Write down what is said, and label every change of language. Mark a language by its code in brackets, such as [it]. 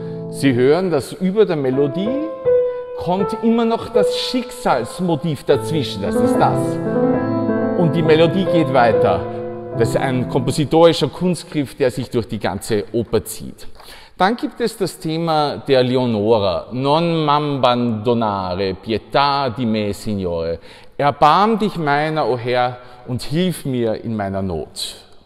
[de] Sie hören, dass über der Melodie kommt immer noch das Schicksalsmotiv dazwischen, das ist das. Und die Melodie geht weiter. Das ist ein kompositorischer Kunstgriff, der sich durch die ganze Oper zieht. Dann gibt es das Thema der Leonora. [it] Non m'abbandonare, pietà di me, Signore. [de] Erbarm dich meiner, o Herr, und hilf mir in meiner Not.